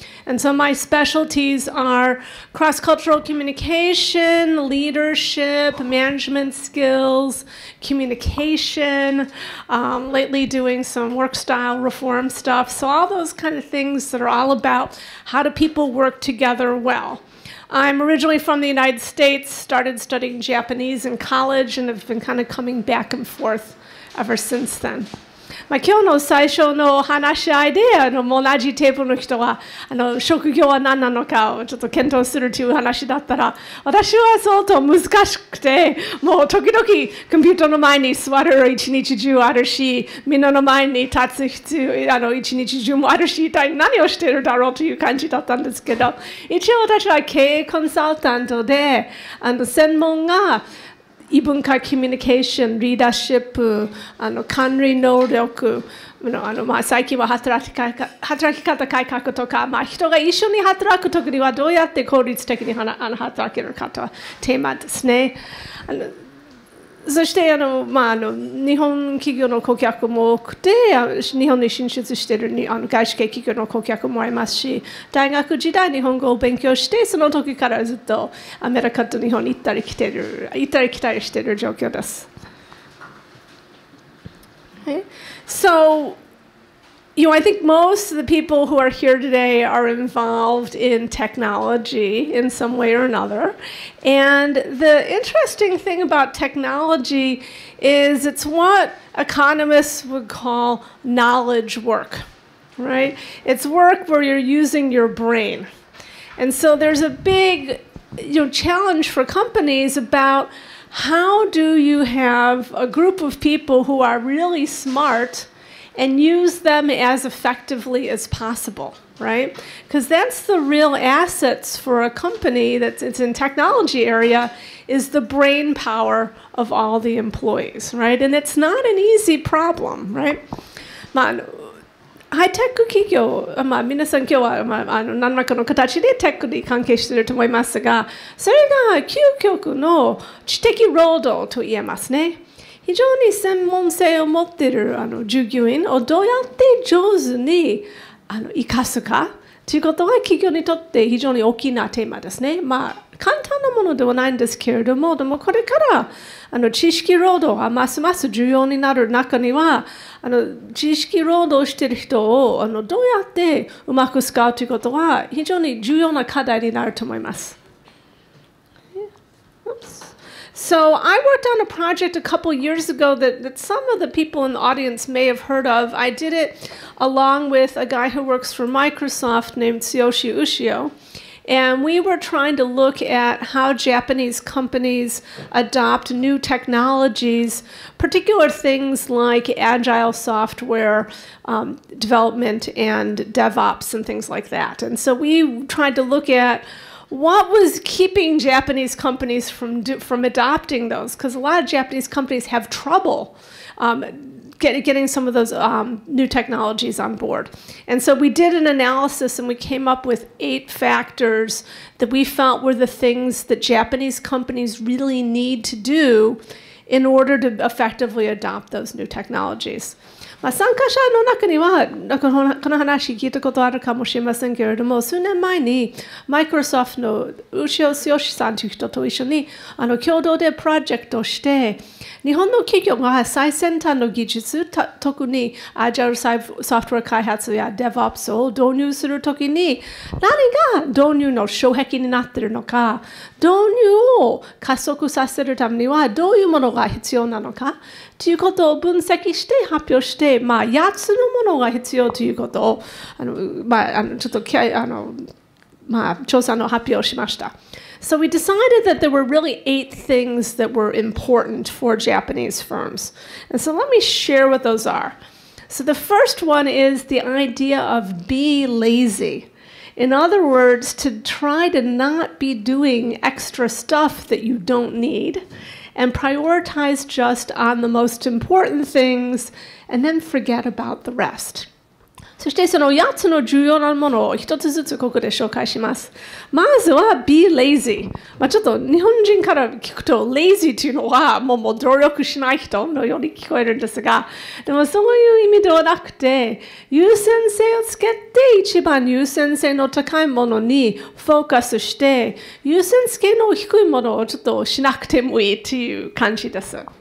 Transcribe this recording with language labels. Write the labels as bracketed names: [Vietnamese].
[English] And so my specialties are cross-cultural communication, leadership, management skills, communication, lately doing some work style reform stuff. So all those kind of things that are all about how do people work together well. I'm originally from the United States, started studying Japanese in college, and have been kind of coming back and forth ever since then. [Japanese] まあ、今日の最初の話し合いで同じテーブルの人は職業は何なのかをちょっと検討するという話だったら私は相当難しくてもう時々コンピューターの前に座る一日中あるしみんなの前に立つ必要一日中もあるし一体何をしているだろうという感じだったんですけど一応私は経営コンサルタントで専門が異文化コミュニケーション、リーダーシップ、管理能力、まあ、最近は働き方改革とか、まあ、人が一緒に働くときにはどうやって効率的に働けるかとはテーマですね。そして日本企業の顧客も多くて日本に進出している外資系企業の顧客もありますし大学時代日本語を勉強してその時からずっとアメリカと日本に行ったり来たりしている状況です、okay. [English] So you know, I think most of the people who are here today are involved in technology in some way or another. And the interesting thing about technology is it's what economists would call knowledge work, right? It's work where you're using your brain. And so there's a big, challenge for companies about how do you have a group of people who are really smart and use them as effectively as possible, right? Because that's the real assets for a company that's it's in technology area is the brain power of all the employees, right? And it's not an easy problem, right? [Japanese] まあ、ハイテク企業、まあ、皆さん今日は、まあ、何らかの形でテックに関係していると思いますが、それが究極の知的労働と言えますね。非常に専門性を持っている従業員をどうやって上手に生かすかということが企業にとって非常に大きなテーマですね。まあ簡単なものではないんですけれども、でもこれから知識労働がますます重要になる中には知識労働している人をどうやってうまく使うということは非常に重要な課題になると思います。 [English] So I worked on a project a couple years ago that some of the people in the audience may have heard of. I did it along with a guy who works for Microsoft named Tsuyoshi Ushio. And we were trying to look at how Japanese companies adopt new technologies, particular things like agile software development and DevOps and things like that. And so we tried to look at what was keeping Japanese companies from adopting those? Because a lot of Japanese companies have trouble getting some of those new technologies on board. And so we did an analysis and we came up with 8 factors that we felt were the things that Japanese companies really need to do in order to effectively adopt those new technologies. [Japanese] まあ、参加者の中にはこの話聞いたことあるかもしれませんけれども数年前にマイクロソフトの牛尾剛さんという人と一緒に共同でプロジェクトをして日本の企業が最先端の技術特にアジャルソフトウェア開発や DevOps を導入するときに何が導入の障壁になっているのか導入を加速させるためにはどういうものが必要なのかということを分析して発表して、まあ、8つのものが必要ということを、まあ、ちょっと、まあ、調査の発表をしました。 [English] So we decided that there were really 8 things that were important for Japanese firms. And so let me share what those are. So the first one is the idea of be lazy. In other words, to try to not be doing extra stuff that you don't need. And prioritize just on the most important things, and then forget about the rest. [Japanese] そしてその8つの重要なものを一つずつここで紹介します。まずは be lazy。まあ、ちょっと日本人から聞くと lazy というのはもう努力しない人のように聞こえるんですが、でもそういう意味ではなくて、優先性をつけて一番優先性の高いものにフォーカスして、優先性の低いものをちょっとしなくてもいいという感じです。